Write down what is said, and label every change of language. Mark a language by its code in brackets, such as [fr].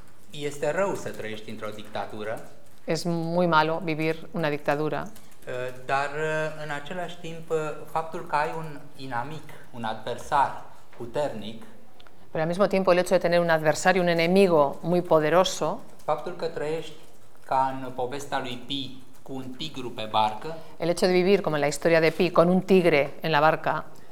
[ro] Este rău să trăiești într-o dictatură. [es] Es muy malo vivir una dictadura. [ro] Dar în același timp, faptul că ai un inamic, un adversar puternic. [es] Pero al mismo tiempo, el hecho de tener un adversario, un enemigo muy poderoso. [ro] Faptul că trăiești ca în povestea lui Pi, cu un tigru pe barcă. [es] El hecho de vivir como en la historia de Pi con un tigre en la barca.